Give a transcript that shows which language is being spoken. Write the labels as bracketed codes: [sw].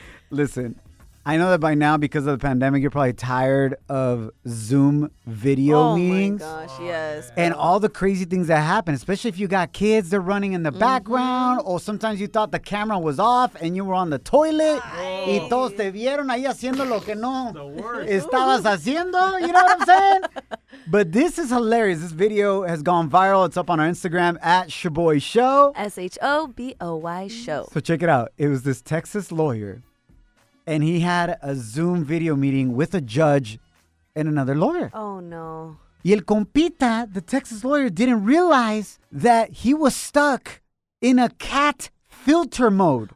[en] Listen, I know that by now, because of the pandemic, you're probably tired of Zoom video meetings. Oh, my gosh, yes. And all the crazy things that happen, especially if you got kids, they're running in the background, or sometimes you thought the camera was off and you were on the toilet. Ay. [es] Y todos te vieron ahí haciendo lo que no estabas haciendo. [en] You know what I'm saying? But this is hilarious. This video has gone viral. It's up on our Instagram, at Shaboy Show. Shoboy Show. So check it out. It was this Texas lawyer. And he had a Zoom video meeting with a judge and another lawyer. Oh, no. [es] Y el compita, [en] the Texas lawyer, didn't realize that he was stuck in a cat filter mode.